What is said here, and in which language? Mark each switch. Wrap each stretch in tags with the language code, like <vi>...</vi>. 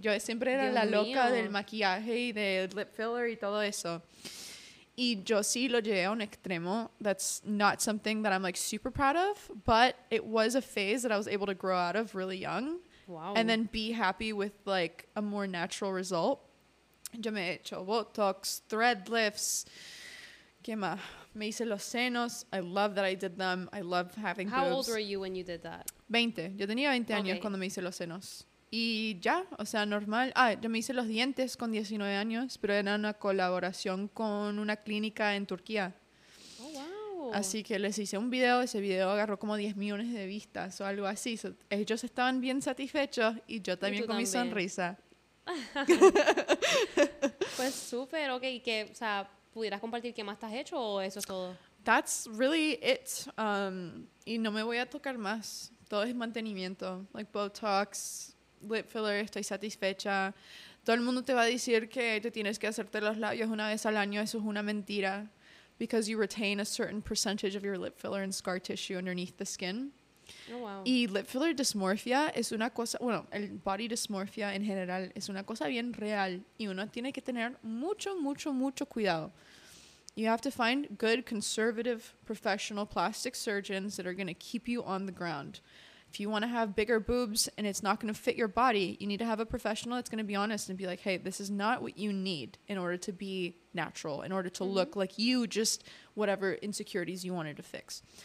<es>Yo siempre era Dios la loca mío. Del maquillaje y del lip filler y todo eso. Y yo sí lo llevé a un extremo.</es> <en>That's not something that I'm like super proud of. But it was a phase that I was able to grow out of really young. Wow. And then be happy with like a more natural result.</en> <es>Yo me he hecho Botox, thread lifts. ¿Qué más? Me hice los senos.</es> <en>I love that I did them. I love having How boobs. How old were you when you did that?</en> <es>20. Yo tenía 20 años cuando me hice los senos. Y ya, o sea, normal. Ah, yo me hice los dientes con 19 años, pero era una colaboración con una clínica en Turquía. Oh, wow. Así que les hice un video, ese video agarró como 10 millones de vistas o algo así. So, ellos estaban bien satisfechos y yo también con mi sonrisa. Pues súper, ok. Que, o sea, ¿pudieras compartir qué más te has hecho o eso es todo?</es> <en>That's really it.</en> <es>Y no me voy a tocar más. Todo es mantenimiento. Like Botox, lip filler, estoy satisfecha. Todo el mundo te va a decir que te tienes que hacerte los labios una vez al año. Eso es una mentira.</es> <en>Because you retain a certain percentage of your lip filler and scar tissue underneath the skin. Oh, wow.</en> <es>Y lip filler dysmorphia es una cosa, bueno, el body dysmorphia en general es una cosa bien real y uno tiene que tener mucho, mucho, mucho cuidado.</es> <en>You have to find good, conservative, professional plastic surgeons that are going to keep you on the ground. If you want to have bigger boobs and it's not going to fit your body, you need to have a professional that's going to be honest and be like, hey, this is not what you need in order to be natural, in order to look like you, just whatever insecurities you wanted to fix.</en>